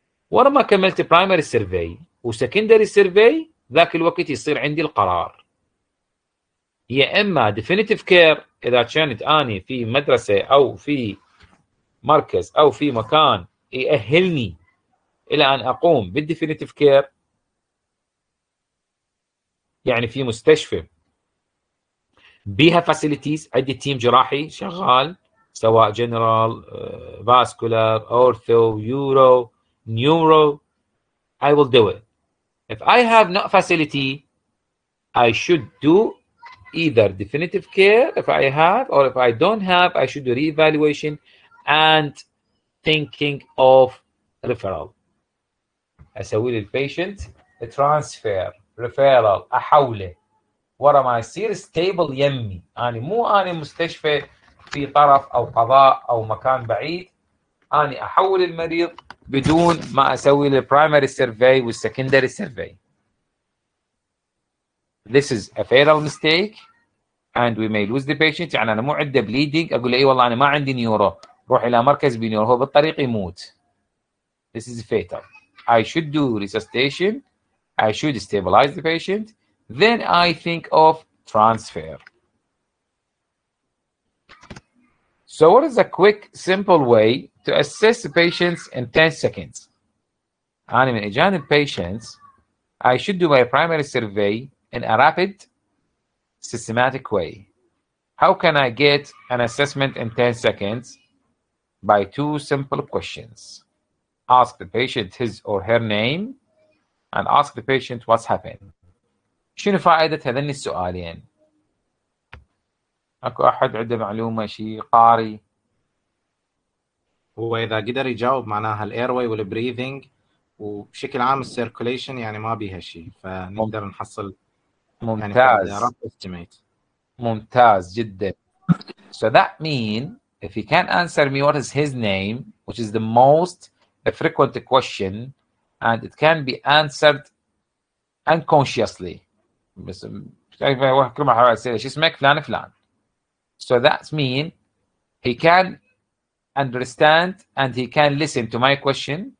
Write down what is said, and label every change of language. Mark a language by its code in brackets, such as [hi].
[ar] ورا ما كملت برايمري سيرفي وسكندري سيرفي، ذاك الوقت يصير عندي القرار، يا اما ديفينيتيف كير اذا كانت اني في مدرسه او في مركز او في مكان يأهلني إلى أن أقوم بالديفينيتيف كير، يعني في مستشفى بها فاسيليتيز، عندي تيم جراحي شغال، سواء جنرال، فاسكولار، أورثو، يورو، نيورو، [en] I will do it. If I have no facility, I should do either definitive care if I have, or if I don't have, I should do re-evaluation and thinking of referral. [ar] أسوي لل [en] patient transfer referral، [ar] أحوله ورا ما يصير stable يمي. أنا مو أنا مستشفى في طرف أو قضاء أو مكان بعيد، أنا أحول المريض بدون ما أسوي للprimary survey والsecondary survey. [en] This is a fatal mistake and we may lose the patient. [ar] يعني أنا مو عنده bleeding أقول له إيه والله أنا ما عندي نيورو، روح إلى مركز بنيورو، هو بالطريق يموت. [en] This is fatal. I should do resuscitation. I should stabilize the patient. Then I think of transfer. So what is a quick, simple way to assess the patients in 10 seconds? I'm an agent patients. I should do my primary survey in a rapid, systematic way. How can I get an assessment in 10 seconds? By two simple questions. Ask the patient his or her name and ask the patient what's happened. [ar] شنو فائدة هذني السؤالين؟ اكو احد عنده معلومة شي قاري؟ هو اذا قدر يجاوب معناها الايرواي والبريذنج وبشكل عام السيركوليشن يعني ما بيها شي، فنقدر نحصل ممتاز يعني ممتاز جدا. [en] So that mean if he can answer me what is his name, which is the most a frequent question and it can be answered unconsciously. So that means he can understand and he can listen to my question.